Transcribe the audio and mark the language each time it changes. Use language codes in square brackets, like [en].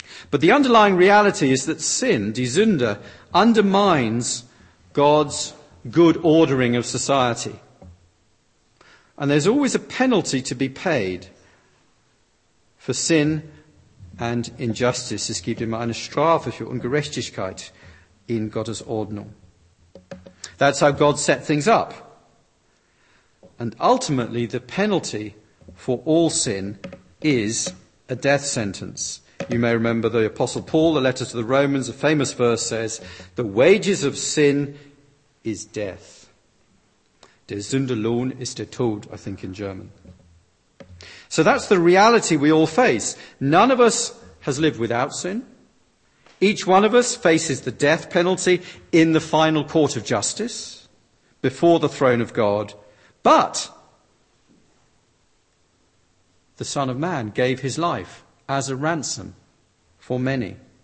[en] But the underlying reality is that sin, [de] die Sünde, [en] undermines God's good ordering of society. And there's always a penalty to be paid for sin and injustice. [de] Es gibt immer eine Strafe für Ungerechtigkeit in Gottes Ordnung. [en] That's how God set things up. And ultimately, the penalty for all sin is a death sentence. You may remember the Apostle Paul, the letter to the Romans, a famous verse says, "The wages of sin is death." [de] Der Sündelohn ist der Tod, [en] I think in German. So that's the reality we all face. None of us has lived without sin. Each one of us faces the death penalty in the final court of justice, before the throne of God. But the Son of Man gave his life as a ransom for many.